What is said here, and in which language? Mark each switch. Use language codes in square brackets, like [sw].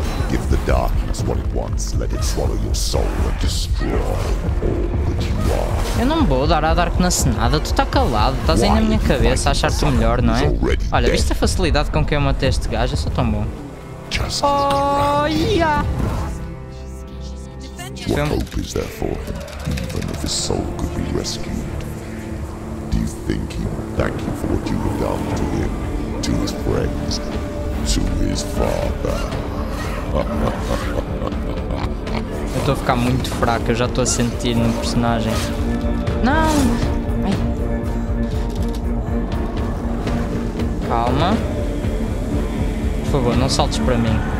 [en] Give the darkness what it wants, let it swallow your soul and destroy all that you are. [pt] Eu não vou dar à Darkness nada, tu tá calado, estás aí na minha cabeça a achar-te melhor, não é? Olha, viste a facilidade com que eu matei este gajo, eu sou tão bom. [en] Just oh, yeah! What hope is there for him, even if his soul could be rescued? Do you think he would thank you for what you have done to him, to his friends, to his father? [pt] Eu estou a ficar muito fraco, eu já estou a sentir no personagem. Não! Ai. Calma. Por favor, não saltes para mim.